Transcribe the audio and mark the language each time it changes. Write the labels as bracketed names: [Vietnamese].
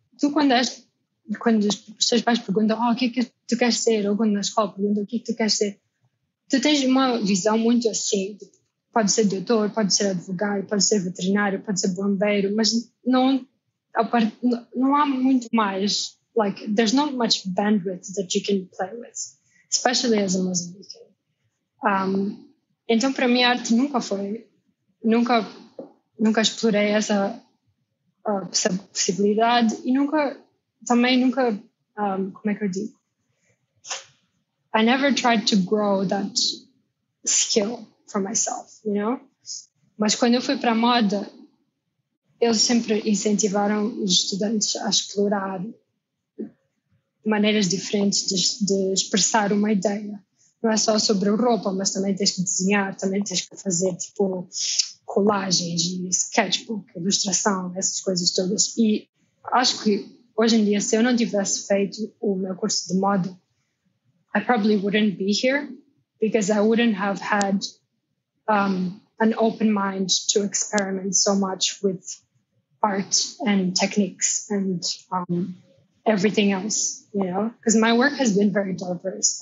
[Portuguese] Tu quando os teus pais perguntam o que é que tu queres ser, ou quando na escola perguntam o que é que tu queres ser, tu tens uma visão muito assim, pode ser doutor, pode ser advogado, pode ser veterinário, pode ser bombeiro, mas não há muito mais, [English] like, there's not much bandwidth that you can play with, especially as a Mozambican. [Portuguese] Então, para mim, a arte nunca foi, nunca explorei essa possibilidade e nunca, como é que eu digo? [English] I never tried to grow that skill for myself, you know? [Portuguese] Mas quando eu fui para a moda, eles sempre incentivaram os estudantes a explorar maneiras diferentes de expressar uma ideia. Não é só sobre roupa, mas também tens que desenhar, também tens que fazer tipo colagens, sketchbook, ilustração, essas coisas todas. E acho que hoje em dia, se eu não tivesse feito o meu curso de moda, [English] I probably wouldn't be here, because I wouldn't have had an open mind to experiment so much with art and techniques and everything else, you know, because my work has been very diverse.